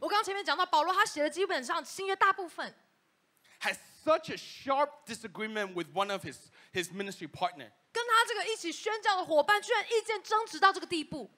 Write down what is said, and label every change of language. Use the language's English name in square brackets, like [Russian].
[Chinese] 我刚前面讲到保罗，他写了基本上新约大部分。 [English] Has such a sharp disagreement with one of his ministry partner. [Chinese] 跟他这个一起宣教的伙伴居然意见争执到这个地步。